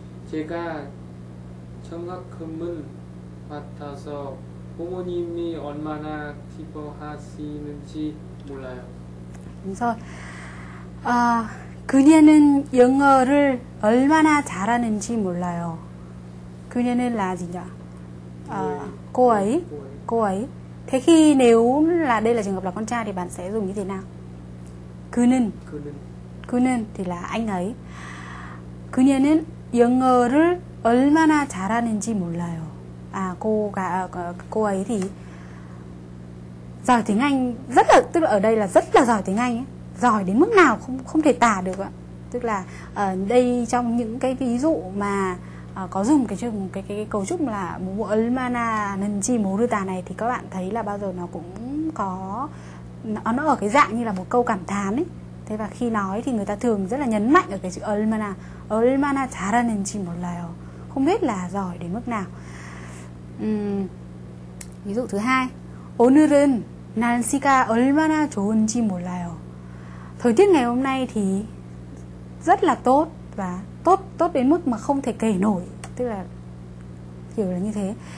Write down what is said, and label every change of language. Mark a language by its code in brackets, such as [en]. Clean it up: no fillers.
[ko] 제가 장학금을 받아서 부모님이 얼마나 기뻐하시는지 몰라요. 그래서 아 그녀는 영어를 얼마나 잘하는지 몰라요. 그녀는 라지냐? 아, 고아이? 고아이? [vi] Thế khi nếu là đây là trường hợp là con trai thì bạn sẽ dùng như thế nào? [ko] 그는 그는 [vi] thì là anh ấy. [ko] 그녀는 영어를 얼마나 잘하는지 몰라요. [vi] 아, cô ấy thì giỏi tiếng Anh rất là, tức là ở đây là rất là giỏi tiếng Anh ấy. Giỏi đến mức nào không thể tả được ạ. Tức là ở đây trong những cái ví dụ mà có dùng cái cấu trúc là [ko] 얼마나 하는지 모르다 [vi] này thì các bạn thấy là bao giờ nó cũng có nó ở cái dạng như là một câu cảm thán ấy. Thế và khi nói thì người ta thường rất là nhấn mạnh ở cái chữ 얼마나. [ko] 얼마나 잘하는지 몰라요. [vi] Không biết là giỏi đến mức nào. Ví dụ thứ hai. [ko] 오늘은 날씨가 얼마나 좋은지 몰라요. [vi] Thời tiết ngày hôm nay thì rất là tốt và tốt đến mức mà không thể kể nổi, tức là kiểu là như thế.